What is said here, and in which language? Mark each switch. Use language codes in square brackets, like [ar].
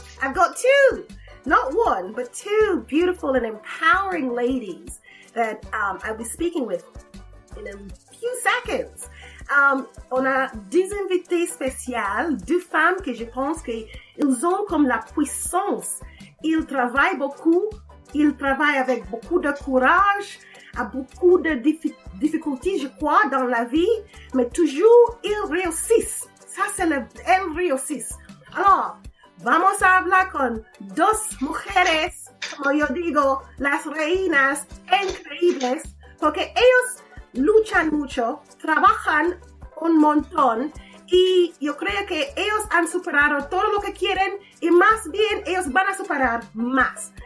[en] I've got two, not one, but two beautiful and empowering ladies that I'll be speaking with in a few seconds. [fr] On a des invités spéciales, deux femmes que je pense qu'ils ont comme la puissance. Ils travaillent beaucoup, ils travaillent avec beaucoup de courage, à beaucoup de difficultés, je crois, dans la vie, mais toujours ils réussissent. Ça, c'est le elles réussissent. [es] Alors, vamos a hablar con dos mujeres, como yo digo, las reinas increíbles, porque ellos luchan mucho, trabajan un montón y yo creo que ellos han superado todo lo que quieren y más bien ellos van a superar más.